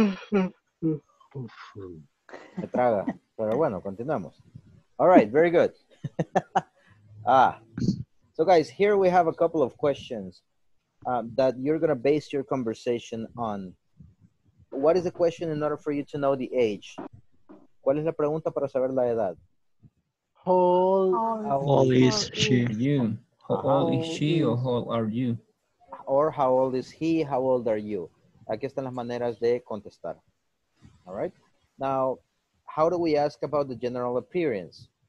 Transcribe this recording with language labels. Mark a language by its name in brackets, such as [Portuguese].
[Spanish] Me traga, pero bueno, continuamos. [English] All right, very good. So guys, here we have a couple of questions that you're going to base your conversation on. What is the question in order for you to know the age? [Spanish] ¿Cuál es la pregunta para saber la edad? [English] How old is she? How old is she or how old are you? Or how old is he? How old are you? [Spanish] Aquí están las maneras de contestar. [English] All right? Now, how do we ask about the general appearance?